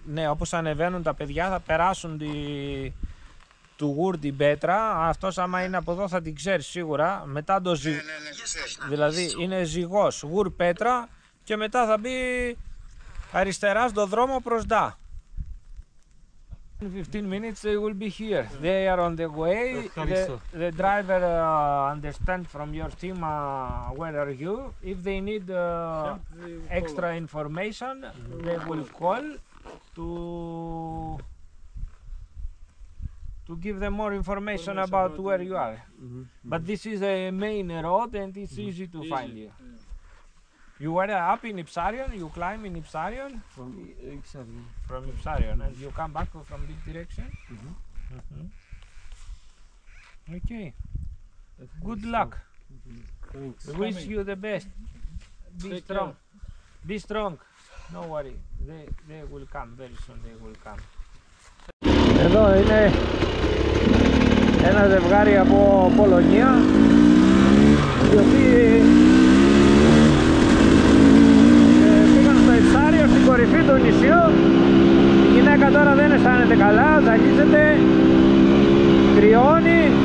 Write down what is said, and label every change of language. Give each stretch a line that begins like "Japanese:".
Greek: Ναι, όπως ανεβαίνουν τα παιδιά θα περάσουν τη... του Γουρ την Πέτρα, αυτός άμα είναι από εδώ θα την ξέρει σίγουρα, μετά το ζυγό, δηλαδή είναι ζυγός, Γουρ Πέτρα, και μετά θα μπει αριστερά στον δρόμο προς Ντά.
English: In 15 minutes they will be here. They are on the way. The driver understand from your team where are you. If they need extra information, they will call to give them more information about where you are. But this is a main road and it's easy to find you. You were up in Ipsarion, you climb in Ipsarion? From Ipsarion. From Ipsarion, and you come back from this direction? Okay. Good luck. Thanks. Wish you the best. Be Take strong. Care. Be strong. No worry. They will come very soon, they will come.
Greek: Εδώ είναι ένα ζευγάρι από Πολωνία, οι οποίοι πήγαν στο Ιψάριο, στην κορυφή του νησιού. Η γυναίκα τώρα δεν αισθάνεται καλά, ζαλίζεται, κρυώνει.